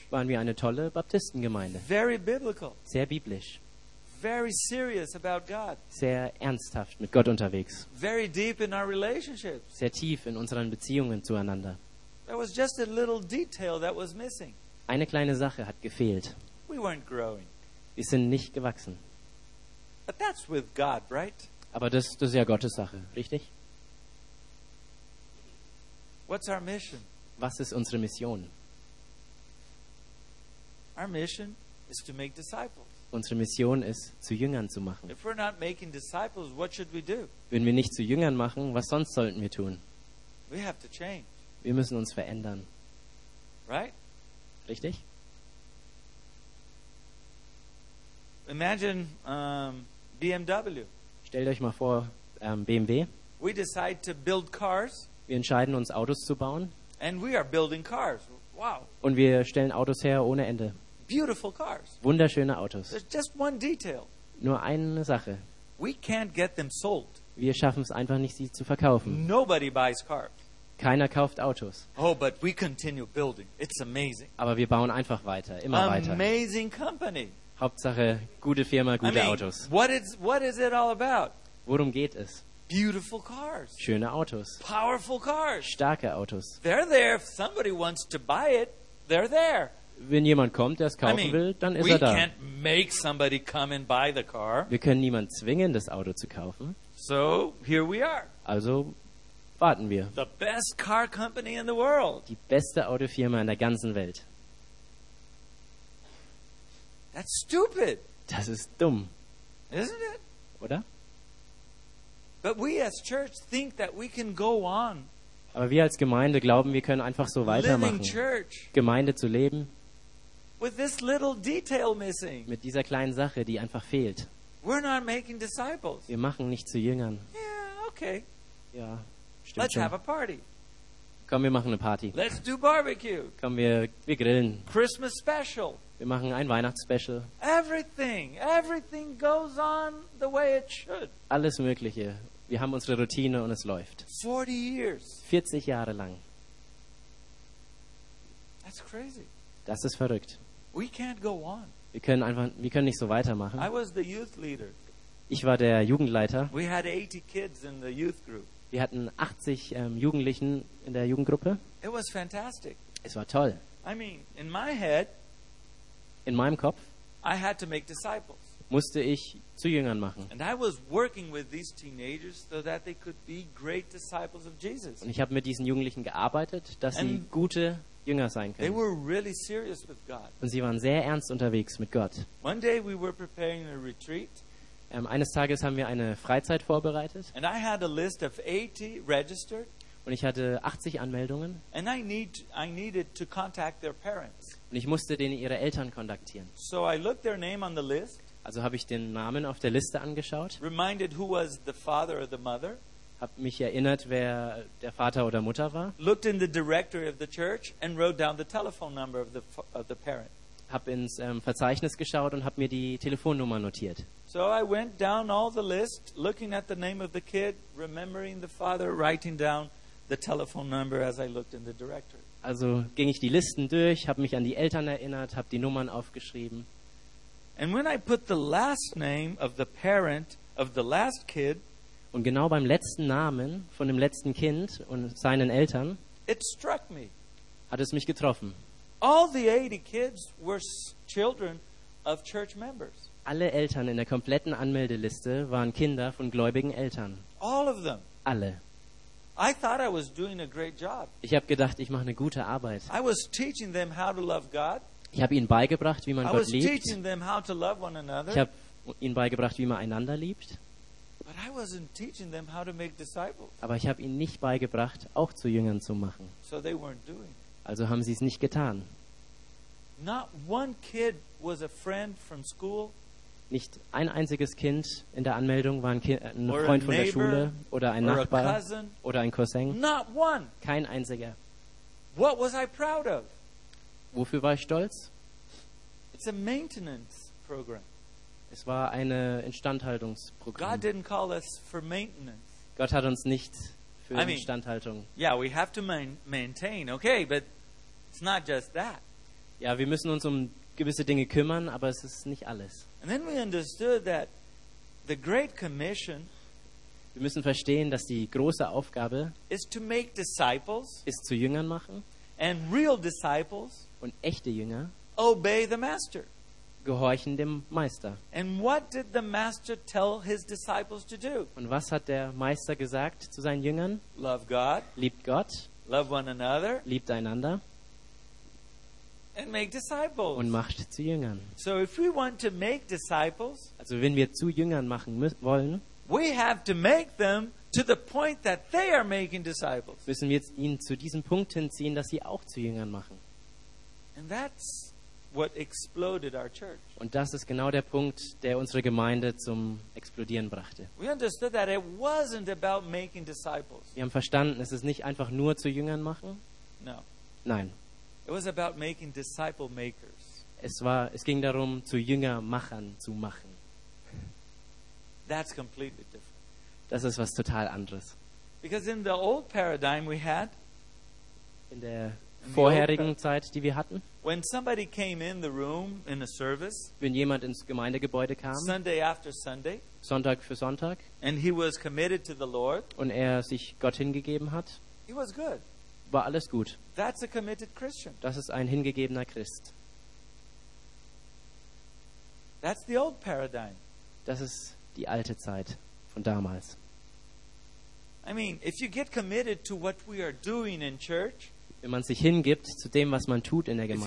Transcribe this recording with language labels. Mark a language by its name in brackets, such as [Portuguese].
[German] Waren wir eine tolle Baptistengemeinde. [English] Very biblical. [German] Sehr biblisch. [English] Very serious about God. [German] Sehr ernsthaft mit Gott unterwegs. [English] Very deep in our relationships. [German] Sehr tief in unseren Beziehungen zueinander. [English] There was just a little detail that was missing. [German] Eine kleine Sache hat gefehlt. [English] We weren't growing. [German] Wir sind nicht gewachsen. [English] But that's with God, right? [German] Aber das ist ja Gottes Sache, richtig? [English] What's our mission? [German] Was ist unsere Mission? [English] Our mission is to make disciples. [German] Unsere Mission ist, zu Jüngern zu machen. [English] If we're not making disciples, what should we do? [German] Wenn wir nicht zu Jüngern machen, was sonst sollten wir tun? [English] We have to change. [German] Wir müssen uns verändern. [English] Right? [German] Richtig? [English] Imagine BMW. [German] Stellt euch mal vor, BMW. [English] We decide to build cars. [German] Wir entscheiden uns, Autos zu bauen. [English] And we are building cars. Wow. [German] Und wir stellen Autos her ohne Ende. [English] Beautiful cars. [German] Wunderschöne Autos. [English] There's just one detail. [German] Nur eine Sache. [English] We can't get them sold. [German] Wir schaffen es einfach nicht, sie zu verkaufen. [English] Nobody buys cars. [German] Keiner kauft Autos. [English] Oh, but we continue building. It's amazing. [German] Aber wir bauen einfach weiter, immer [English] amazing [German] weiter. [English] Amazing company. [German] Hauptsache, gute Firma, gute Autos. [English] What is it all about? [German] Worum geht es? [English] Beautiful cars. [German] Schöne Autos. [English] Powerful cars. [German] Starke Autos. [English] They're there. If somebody wants to buy it, they're there. [German] Wenn jemand kommt, der es kaufen will, dann ist er da. [English] We can't make somebody come and buy the car. [German] Wir können niemanden zwingen, das Auto zu kaufen. [English] So, here we are. [German] Also warten wir. [English] The best car company in the world. [German] Die beste Autofirma in der ganzen Welt. [English] That's stupid. [German] Das ist dumm. [English] Isn't it? [German] Oder? [English] But we as church think that we can go on. [German] Aber wir als Gemeinde glauben, wir können einfach so weitermachen. [English] Church, [German] Gemeinde zu leben. [English] With this little detail missing. [German] Mit dieser kleinen Sache, die einfach fehlt. [English] We're not making disciples. [German] Wir machen nicht zu Jüngern. [English] Yeah, okay. [German] Ja, stimmt. [English] Let's [German] schon. [English] Have a party. [German] Komm, wir machen eine Party. [English] Let's do barbecue. [German] Komm, wir grillen. [English] Christmas special. [German] Wir machen ein Weihnachtsspecial. [English] Everything goes on the way it should. [German] Alles Mögliche. Wir haben unsere Routine und es läuft. [English] 40 years. [German] 40 Jahre lang. [English] That's crazy. [German] Das ist verrückt. [English] We can't go on. [German] Wir können nicht so weitermachen. [English] I was the youth leader. [German] Ich war der Jugendleiter. [English] We had 80 kids in the youth group. [German] Wir hatten 80 Jugendlichen in der Jugendgruppe. [English] It was fantastic. [German] Es war toll. [English] I mean, in my head. [German] In meinem Kopf [English] I had to make disciples. [German] Musste ich zu Jüngern machen. [English] And I was working with these teenagers so that they could be great disciples of Jesus. [German] Und ich habe mit diesen Jugendlichen gearbeitet, dass sie gute Jünger sein können. [English] They were really serious with God. [German] Und sie waren sehr ernst unterwegs mit Gott. [English] One day we were preparing a retreat. [German] Eines Tages haben wir eine Freizeit vorbereitet. [English] And I had a list of 80 registered. [German] Und ich hatte 80 Anmeldungen. [English] And I needed to contact their parents. [German] Und ich musste denen ihre Eltern kontaktieren. [English] So I looked their name on the list. [German] Also habe ich den Namen auf der Liste angeschaut. [English] Reminded who was the father or the mother. [German] Hab mich erinnert, wer der Vater oder Mutter war. [English] Looked in the directory of the church and wrote down the telephone number of the parent. [German] Hab ins Verzeichnis geschaut und hab mir die Telefonnummer notiert. [English] So I went down all the list, looking at the name of the kid, remembering the father, writing down the telephone number as I looked in the directory. [German] Also ging ich die Listen durch, habe mich an die Eltern erinnert, habe die Nummern aufgeschrieben. [English] And when I put the last name of the parent of the last kid, [German] und genau beim letzten Namen von dem letzten Kind und seinen Eltern, [English] it struck me. [German] Hat es mich getroffen. [English] All the 80 kids were children of church members. [German] Alle Eltern in der kompletten Anmeldeliste waren Kinder von gläubigen Eltern. [English] All of them. [German] Alle. [English] I thought I was doing a great job. [German] Ich habe gedacht, ich mache eine gute Arbeit. [English] I was teaching them how to love God. [German] Ich habe ihnen beigebracht, wie man [English] I [German] Gott [English] was [German] liebt. [English] Teaching them how to love one another. [German] Ich habe ihnen beigebracht, wie man einander liebt. [English] But I wasn't teaching them how to make disciples. [German] Aber ich habe ihnen nicht beigebracht, auch zu Jüngern zu machen. [English] So they weren't doing. [German] Also haben sie es nicht getan. [English] Not one kid was a friend from school. [German] Nicht ein einziges Kind in der Anmeldung war ein Freund von der Schule oder ein Nachbar oder ein Cousin. [English] Not one. [German] Kein einziger. [English] What was I proud of? [German] Wofür war ich stolz? [English] It's a maintenance program. [German] Es war ein Instandhaltungsprogramm. [English] God didn't call us for maintenance. [German] Gott hat uns nicht für Instandhaltung. [English] Yeah, we have to maintain, okay, but it's not just that. [German] Ja, wir müssen uns um gewisse Dinge kümmern, aber es ist nicht alles. [English] And then we understood that the Great Commission. [German] Wir müssen verstehen, dass die große Aufgabe [English] is to make disciples. [German] Ist zu Jüngern machen. [English] And real disciples. [German] Und echte Jünger. [English] Obey the master. [German] Gehorchen dem Meister. [English] And what did the master tell his disciples to do? [German] Und was hat der Meister gesagt zu seinen Jüngern? [English] Love God. [German] Liebt Gott. [English] Love one another. [German] Liebt einander. [English] And make disciples. [German] Und macht zu Jüngern. [English] So if we want to make disciples, [German] also wenn wir zu Jüngern machen wollen, [English] we have to make them to the point that they are making disciples. [German] Müssen wir jetzt ihn zu diesem Punkt hinziehen, dass sie auch zu Jüngern machen. [English] And that's what exploded our church. [German] Und das ist genau der Punkt, der unsere Gemeinde zum Explodieren brachte. [English] We understood that it wasn't about making disciples. [German] Wir haben verstanden, es ist nicht einfach nur zu Jüngern machen. [English] No. [German] Nein. [English] It was about making disciple makers. [German] Es ging darum, zu Jüngermachern zu machen. [English] That's completely different. [German] Das ist was total anderes. [English] Because in the old paradigm we had, [German] in der vorherigen Zeit, die wir hatten, [English] when somebody came in the room in a service, [German] wenn jemand ins Gemeindegebäude kam, [English] Sunday after Sunday, [German] Sonntag für Sonntag, [English] and he was committed to the Lord, [German] und er sich Gott hingegeben hat, [English] he was good. [German] War alles gut. [English] That's a committed Christian. [German] Das ist ein hingegebener Christ. [English] That's the old paradigm. [German] Das ist die alte Zeit von damals. [English] I mean, if you get committed to what we are doing in church, [German] wenn man sich hingibt zu dem, was man tut in der Gemeinde,